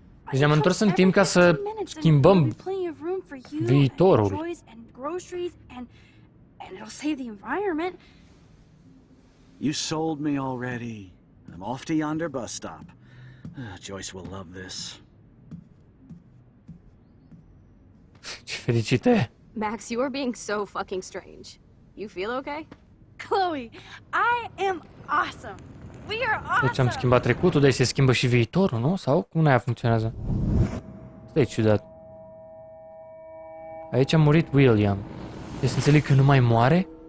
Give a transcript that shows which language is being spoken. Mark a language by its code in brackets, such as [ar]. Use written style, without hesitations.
[ro] Deci am întors în timp ca să schimbăm viitorul. [en] And groceries and it'll save the environment. You sold me already. I'm off to yonder bus stop. Joyce will love this. [ro] Ce fericită e. [en] Max, you are being so fucking strange. You feel okay? Chloe, I am awesome. We are awesome. [ro] Deci am schimbat trecutul, dar se schimbă și viitorul, nu? Sau cum aia funcționează? Stai ciudat. Aici a murit William. Deci înțeleg că nu mai moare?